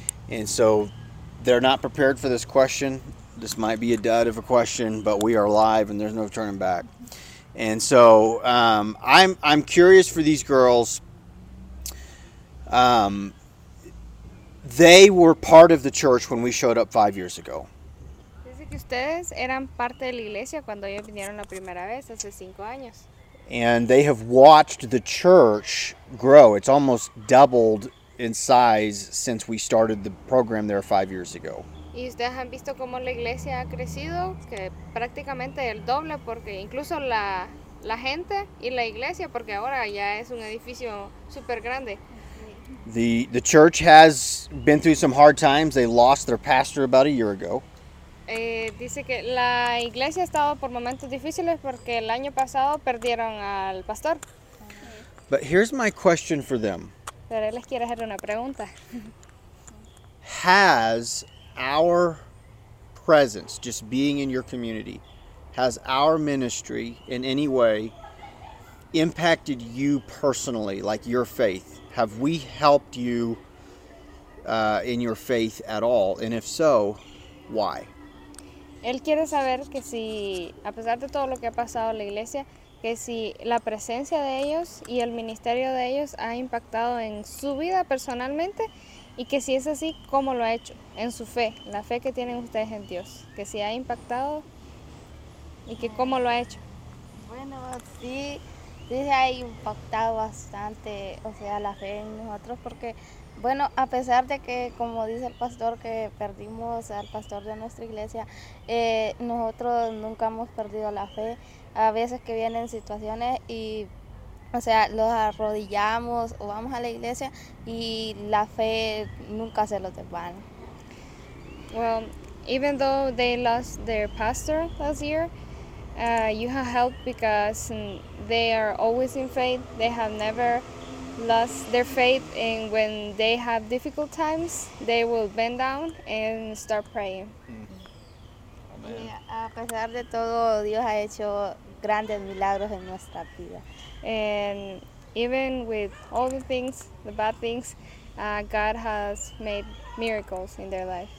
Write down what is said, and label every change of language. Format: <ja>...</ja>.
<en>And so they're not prepared for this question. This might be a dud of a question, but we are live and there's no turning back. And so I'm curious for these girls. They were part of the church when we showed up 5 years ago.</en> <es>Ustedes eran parte de la iglesia cuando ellos vinieron la primera vez hace 5 años.</es> <en>And they have watched the church grow. It's almost doubled in size since we started the program there 5 years ago.</en> <es>Y ustedes han visto cómo la iglesia ha crecido, que prácticamente el doble, porque incluso la gente y la iglesia, porque ahora ya es un edificio super grande.</es> <en>The church has been through some hard times. They lost their pastor about a year ago.</en> <es>Dice que la iglesia ha estado por momentos difíciles porque el año pasado perdieron al pastor.</es> <en>But here's my question for them.</en> <es>Pero él les quiere hacer una pregunta.</es> <en>Has our presence, just being in your community, has our ministry in any way impacted you personally, like your faith? Have we helped you in your faith at all? And if so, why?</en> <es>Él quiere saber que si, a pesar de todo lo que ha pasado en la iglesia, que si la presencia de ellos y el ministerio de ellos ha impactado en su vida personalmente y que si es así, ¿cómo lo ha hecho? En su fe, la fe que tienen ustedes en Dios, que si ha impactado y que cómo lo ha hecho. Bueno, sí, sí se ha impactado bastante, o sea, la fe en nosotros, porque, bueno, a pesar de que, como dice el pastor, que perdimos al pastor de nuestra iglesia, nosotros nunca hemos perdido la fe. A veces que vienen situaciones y, o sea, los arrodillamos o vamos a la iglesia y la fe nunca se los desvanece.</es> <en>Well, even though they lost their pastor last year, you have helped because they are always in faith. They have never lost their faith, and when they have difficult times, they will bend down and start praying. Mm-hmm.</en> <es>Amen. Y a pesar de todo, Dios ha hecho grandes milagros en nuestra vida.</es> <en>And even with all the things, the bad things, God has made miracles in their life.</en>